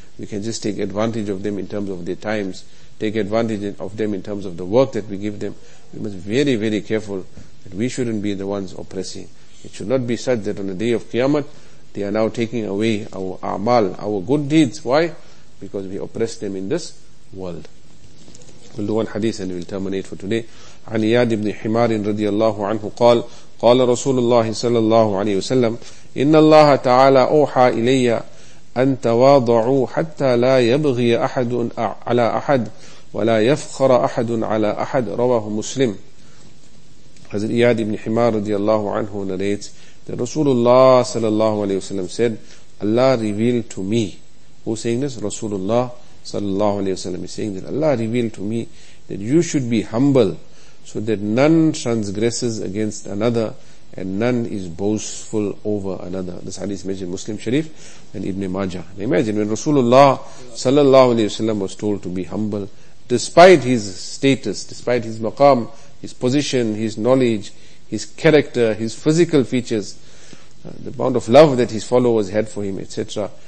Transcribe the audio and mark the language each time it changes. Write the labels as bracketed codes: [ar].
[en] We can just take advantage of them in terms of their times, take advantage of them in terms of the work that we give them. We must be very, very careful that we shouldn't be the ones oppressing. It should not be such that on the day of Qiyamah, they are now taking away our amal, our good deeds. Why? Because we oppress them in this world. We'll do one hadith and we'll terminate for today. [ar] عن إياد بن حمار رضي الله عنه قال قال رسول الله صلى الله عليه وسلم إن الله تعالى أوحى إلي أن تواضعوا حتى لا يبغي أحد على أحد ولا يفخر أحد على أحد. رواه مسلم. [en] حضرت إياد بن حمار رضي الله عنه narrates that Rasulullah صلى الله عليه وسلم said, Allah revealed to me. Who's saying this? Rasulullah صلى الله عليه وسلم is saying that Allah revealed to me that you should be humble, so that none transgresses against another and none is boastful over another. This hadith mentioned Muslim Sharif and Ibn Majah. Now imagine when Rasulullah sallallahu alayhi wa sallam was told to be humble, despite his status, despite his maqam, his position, his knowledge, his character, his physical features, the amount of love that his followers had for him, etc.